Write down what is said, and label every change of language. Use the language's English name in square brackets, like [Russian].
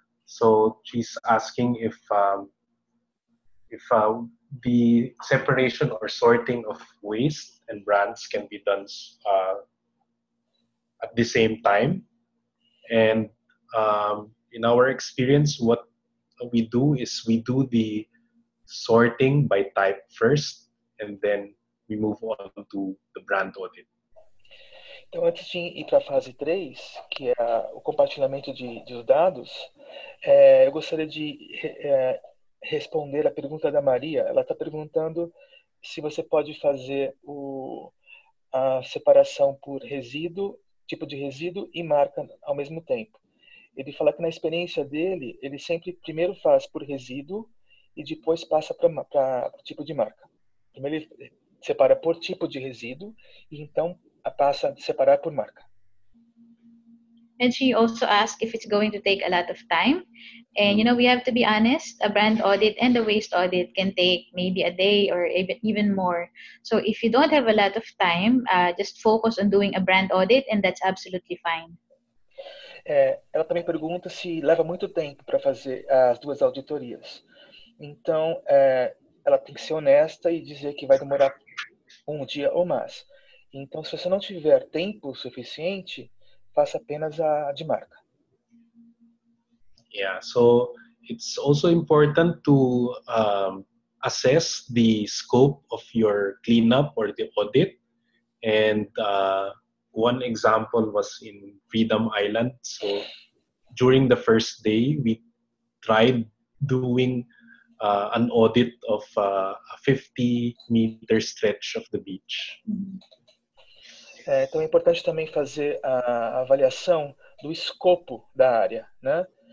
[English] So, she's asking if the separation or sorting of waste and brands can be done at the same time, and in our experience, what we do is we do the sorting by type first, and then we move on to the brand audit. [Portuguese] Então, antes de ir para a fase 3, que é o compartilhamento de dados, eu gostaria de responder a pergunta da Maria. Ela está perguntando se você pode fazer a separação por resíduo, tipo de resíduo e marca ao mesmo tempo. Ele fala que na experiência dele, ele sempre primeiro faz por resíduo e depois passa para tipo de marca. Primeiro ele separa por tipo de resíduo e então passa a separar por marca. [English] And she also asked if it's going to take a lot of time. And you know, we have to be honest, a brand audit and a waste audit can take maybe a day or even more. So if you don't have a lot of time, just focus on doing a brand audit and that's absolutely fine. [Portuguese] Ela também pergunta se leva muito tempo para fazer as duas auditorias. Então, ela tem que ser honesta e dizer que vai demorar um dia ou mais. Então, se você não tiver tempo suficiente, faça apenas a de marca. [English] Yeah, so it's also important to assess the scope of your cleanup or the audit. And one example was in Freedom Island. So during the first day, we tried doing an audit of a 50-meter stretch of the beach. [Portuguese] Então é importante também fazer a avaliação do escopo da área, né?